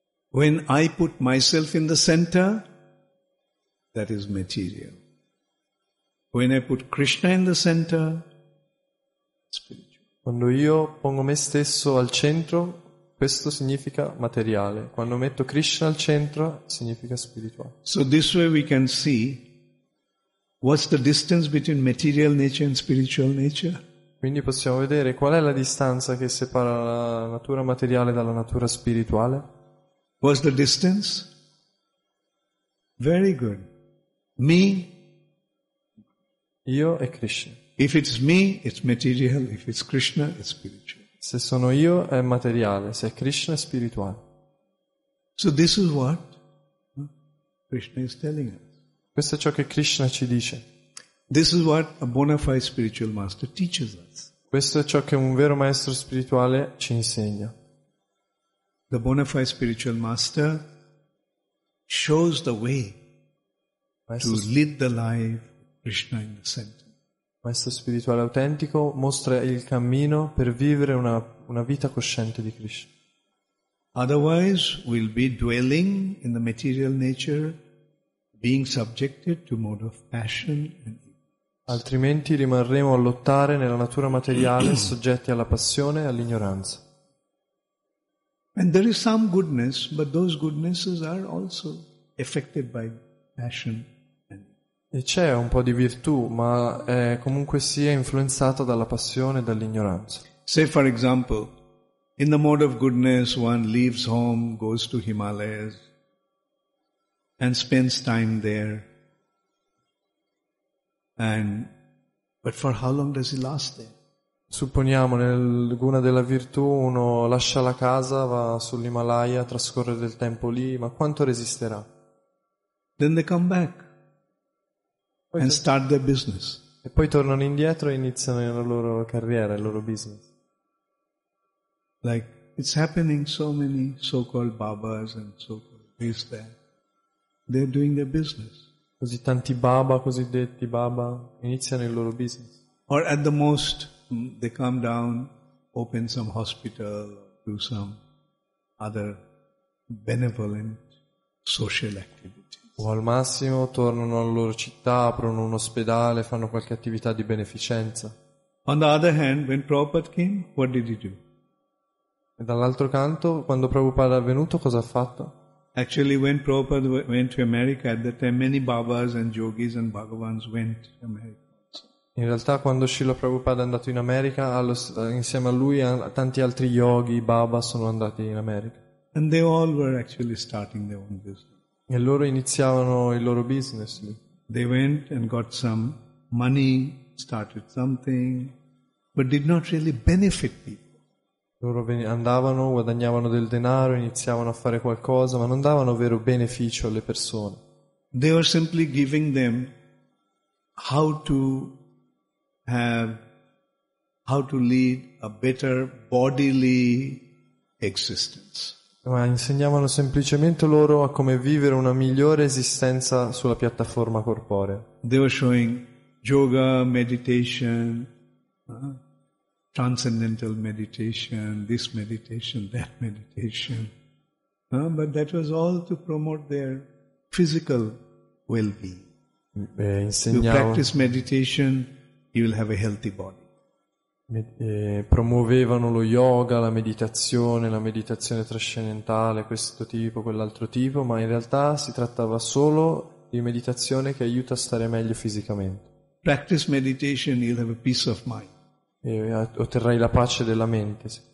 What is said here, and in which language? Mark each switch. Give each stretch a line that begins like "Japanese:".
English: When I put myself in the center, that is material. When I put Krishna in the center, spiritual.
Italian: Quando io pongo me stesso al centro, questo significa materiale. Quando metto Krishna al centro, significa spirituale.
English: So this way we can see what's the distance between material nature and spiritual nature.
Italian: Quindi possiamo vedere qual è la distanza che separa la natura materiale dalla natura spirituale.
English: What's the distance? Very good. Me.
Italian: Io e Krishna.
English: If it's me, it's material. If it's Krishna, it's spiritual.
Italian: Se sono io, è materiale. Se è Krishna, è spirituale.
English: So this is what Krishna is telling us.
Italian: Questo è ciò che Krishna ci dice.
English: This is what a bona fide spiritual master teaches us.
Italian: Questo è ciò che un vero maestro spirituale ci insegna.
English: The bona fide spiritual master shows the way to lead the life Krishna in the center.
Italian: Maestro spirituale autentico mostra il cammino per vivere una vita cosciente di Krishna.
English: Otherwise we'll be dwelling in the material nature, being subjected to mode of passion and
Italian: altrimenti rimarremo a lottare nella natura materiale soggetti alla passione e all'ignoranza.
English: And there is some goodness, but those goodnesses are also affected by passion.
Italian: E c'è un po' di virtù, ma è comunque sia influenzata dalla passione e dall'ignoranza.
English: Say for example, in the mode of goodness one leaves home, goes to Himalayas and spends time there. But for how long does he last there?
Italian: Supponiamo nel guna della virtù uno lascia la casa, va sull'Himalaya, trascorre del tempo lì, ma quanto resisterà?
English: Then they come back and start their business.
Italian: E poi tornano indietro e iniziano la loro carriera, il loro business.
English: Like it's happening so many so-called babas and so-called this there. They're doing their business.
Italian: Così tanti baba, cosiddetti baba, iniziano il loro business.
English: Or at the most, they come down, open some hospital, do some other benevolent social activity.
Italian: O al massimo tornano alla loro città, aprono un ospedale, fanno qualche attività di beneficenza.
English: On the other hand, when Prabhupada came, what did he do?
Italian: E dall'altro canto, quando Prabhupada è venuto, cosa ha fatto?
English: Actually, when Prabhupada went to America, at that time many Babas and Yogis and Bhagavans went to America.
Italian: In realtà, quando Srila Prabhupada è andato in America, insieme a lui, tanti altri Yogi, Baba, sono andati in America.
English: And they all were actually starting their own business.
Italian: E loro iniziavano il loro business lì.
English: They went and got some money, started something, but did not really benefit people.
Italian: Loro andavano, guadagnavano del denaro, iniziavano a fare qualcosa, ma non davano vero beneficio alle persone.
English: They were simply giving them how to lead a better bodily existence.
Italian: Ma insegnavano semplicemente loro a come vivere una migliore esistenza sulla piattaforma corporea.
English: They were showing yoga, meditation, transcendental meditation, this meditation, that meditation. But that was all to promote their physical well-being.
Italian: Insegnavo,
English: you practice meditation, you will have a healthy body.
Italian: Promuovevano lo yoga, la meditazione trascendentale, questo tipo, quell'altro tipo, ma in realtà si trattava solo di meditazione che aiuta a stare meglio fisicamente.
English: Practice meditation, you'll have a peace of mind.
Italian: E otterrai la pace della mente.